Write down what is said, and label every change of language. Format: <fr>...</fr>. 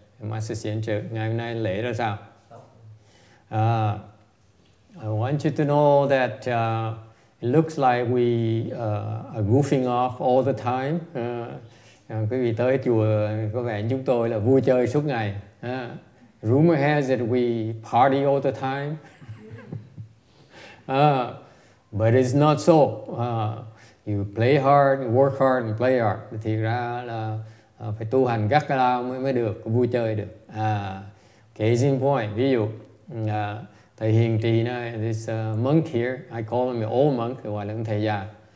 <vi>Master Xian Chu, ngày hôm nay lễ ra sao?</vi> <en>I want you to know that it looks like we are goofing off all the time.</en> <vi>Quý vị tới chùa có vẻ chúng tôi là vui chơi suốt ngày.</vi> <en>Rumor has it we party all the time. But it's not so. You play hard, work hard, and play hard.</en> <vi>Thì ra là phải tu hành gắt gao mới được, vui chơi được.</vi> <en>Case in point,</en> <vi>ví dụ, thầy hiền trì này,</vi> <en>this monk here, I call him an old monk,</en> <vi>gọi là thầy già.</vi>